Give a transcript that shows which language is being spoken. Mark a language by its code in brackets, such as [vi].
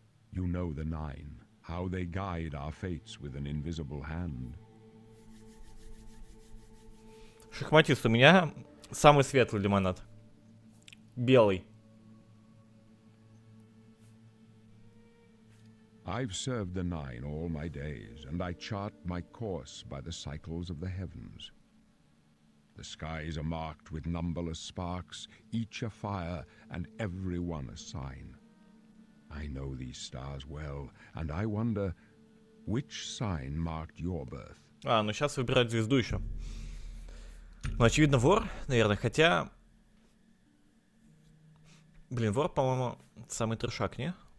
[en] You know the nine, how they guide our fates with an invisible hand. [ru] Шахматист, у меня самый светлый лимонад. Белый. [en] I've served the nine all my days, and I chart my course by the cycles of the heavens. The skies are marked with numberless sparks, each a fire and every one a sign. I know these stars well, and I wonder which sign marked your birth. [ru] А, ну сейчас выбирать звезду еще. Ну, очевидно, вор, наверное, хотя... Блин, вор, по-моему, самый трешак, не?